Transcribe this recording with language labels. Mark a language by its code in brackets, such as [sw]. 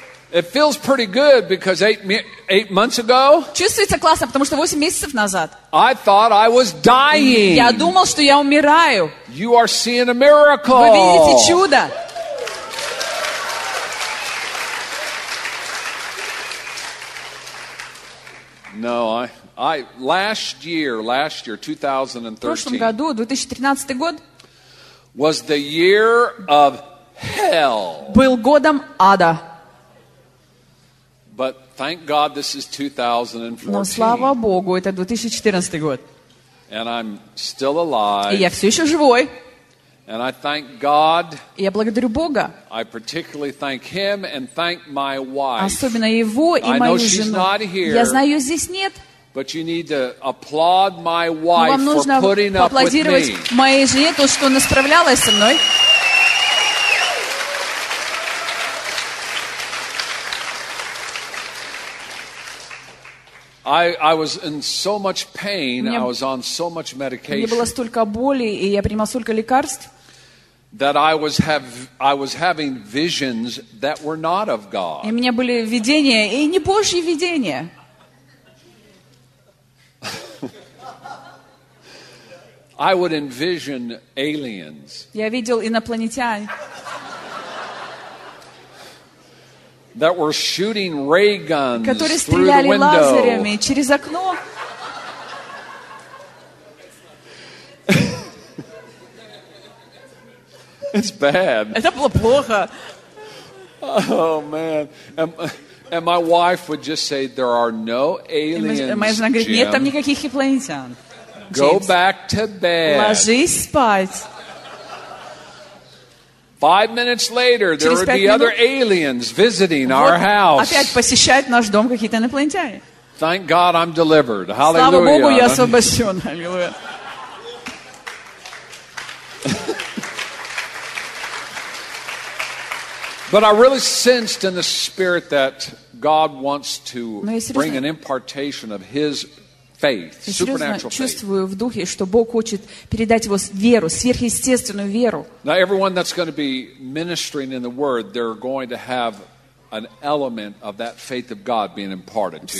[en] It feels pretty good because eight months ago. [ru] Чувствуется классно, потому что 8 месяцев назад. [en] I thought I was dying. [ru] Я думал, что я умираю. [en] You are seeing a miracle. [ru] Вы видите чудо. [en] No, I last year, 2013. [ru] В прошлом году, 2013 год. [en] Was the year of hell. [ru] Был годом ада. [en] But thank God this is 2014. [ru] Но слава Богу, это 2014 год. [en] And I'm still alive. [ru] И я все еще живой. [en] And I thank God. [ru] И я благодарю Бога. [en] I particularly thank Him and thank my wife. [ru] Особенно его и мою жену. [en] I know she's not here. [ru] Я знаю, ее здесь нет. [en] But you need to applaud my wife for putting up with me. [ru] Вам нужно поаплодировать моей жене, то, что она справлялась со мной. [en] I was in so much pain. I was on so much medication. [ru] Мне было столько боли, и я принимал столько лекарств. [en] That I was having visions that were not of God. [ru] И у меня были видения, и не Божьи видения. [en] I would envision aliens. [ru] Я видел инопланетян. [en] That were shooting ray guns [ru] которые стреляли [en] through the window. [ru] Лазерами через окно. [en] It's bad. [ru] Это было плохо. [en] Oh man. And my wife would just say there are no aliens. [ru] Моя жена говорит, нет там никаких инопланетян. [en] Go back to bed. [ru] Ложись спать. [en] 5 minutes later, there would be other aliens visiting our house. [ru] Опять посещают наш дом какие-то инопланетяне. [en] Thank God I'm delivered. Hallelujah. [ru] Слава Богу, я освобожден. Аллилуйя. [en] But I really sensed in the spirit that God wants to bring an impartation of His faith, supernatural faith. [ru] Чувствую в духе, что Бог хочет передать его веру, сверхъестественную веру. [en] Now everyone that's going to be ministering in the word, they're going to have an element of that faith of God being imparted to you.